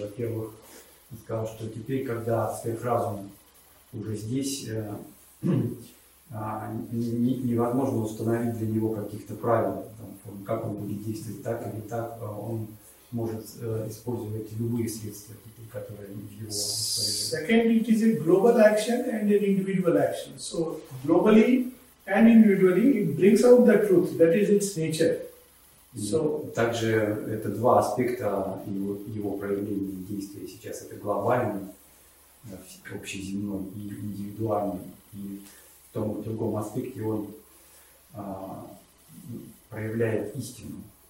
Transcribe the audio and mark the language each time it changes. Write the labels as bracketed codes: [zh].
[ru] Во-первых, сказала, что теперь, когда сверхразум уже здесь, невозможно установить для него каких-то правил, там, как он будет действовать так или так, он может использовать любые средства, которые в его... [en] Second, it is a global action and an individual action. So, globally and individually, it brings out the truth, that is its nature. So, [ru] также это два аспекта его, его проявления и действия сейчас. Это глобальный, общеземной и индивидуальный. И в том и другом аспекте он проявляет истину.